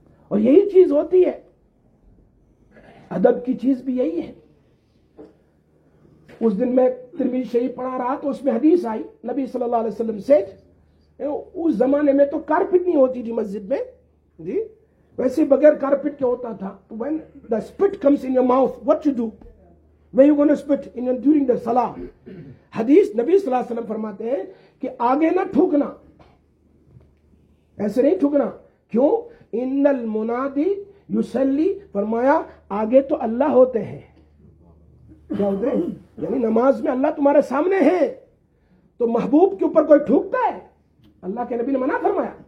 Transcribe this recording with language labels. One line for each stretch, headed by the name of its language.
Urdu: اور یہی چیز ہوتی ہے، ادب کی چیز بھی یہی ہے. اس دن میں ترمذی شریف پڑھا رہا تو اس میں حدیث آئی، نبی صلی اللہ علیہ وسلم سے، اس زمانے میں تو کارپٹ نہیں ہوتی تھی مسجد میں، جی ویسے بغیر کارپٹ کے ہوتا تھا.
English: When the spit comes in your mouth, what you do? Where you gonna spit in your, during the salah?
Urdu: حدیث نبی صلی اللہ علیہ وسلم فرماتے ہیں کہ آگے نہ تھوکنا، ایسے نہیں تھوکنا. کیوں؟
Arabic: ان المنادی یسلی،
Urdu: فرمایا آگے تو اللہ ہوتے ہیں. کیا ہوتے ہیں؟ یعنی نماز میں اللہ تمہارے سامنے ہے، تو محبوب کے اوپر کوئی ٹھوکتا ہے؟ اللہ کے نبی نے منع فرمایا.